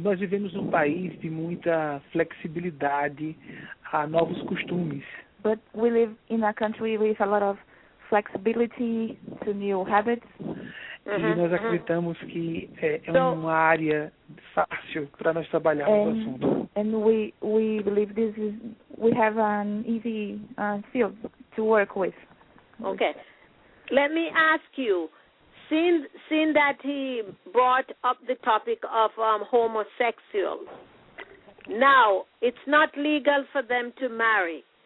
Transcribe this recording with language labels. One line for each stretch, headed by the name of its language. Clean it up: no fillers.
Portuguese: Nós vivemos num país de muita flexibilidade a novos costumes.
English: But we live in a country with a lot of flexibility to new habits.
Portuguese: E nós acreditamos que uma área fácil para nós trabalharmos o assunto.
English: And we believe this is, we have an easy field to work with. Okay. Let me ask you, seeing that he brought up the topic of homosexuals, now, it's not legal for them to marry.